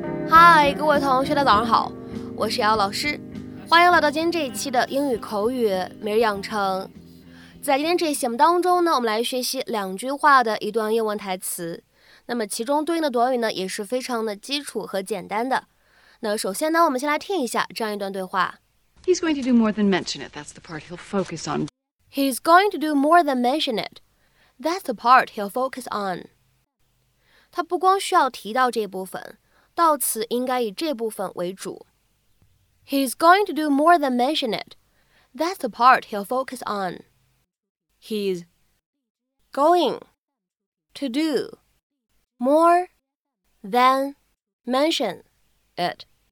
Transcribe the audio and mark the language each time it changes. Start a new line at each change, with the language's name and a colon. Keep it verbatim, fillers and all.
Chinese: 嗨，各位同学的早上好，我是姚老师，欢迎来到今天这一期的英语口语每日养成。在今天这一期节目当中呢，我们来学习两句话的一段英文台词，那么其中对应的短语呢也是非常的基础和简单的。那首先呢，我们先来听一下这样一段对话。
English: He's going to do more than mention it. That's the part he'll focus on. He's going to do more than mention it. That's the part he'll focus on.
Chinese: 他不光需要提到这部分，到此应该以这部分为主。
English: He's going to do more than mention it. That's the part he'll focus on. He's going to do more than mention it.